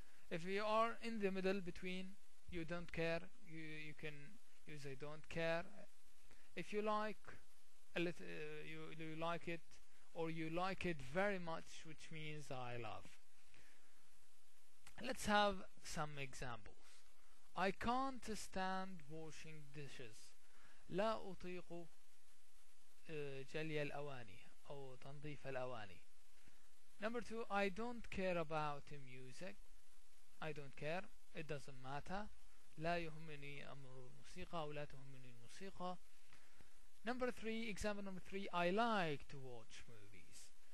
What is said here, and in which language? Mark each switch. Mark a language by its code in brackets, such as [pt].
[en] If you are in the middle between, you don't care, you can use I don't care. If you like a little, you like it, or you like it very much, which means I love. Let's have some examples. I can't stand washing dishes. [ar] لا أطيق جلي الأواني أو تنظيف الأواني. [en] Number two, I don't care about music. I don't care. It doesn't matter. [ar] لا يهمني أمر الموسيقى أو لا تهمني الموسيقى. [en] Number three, example number three, I like to watch movies.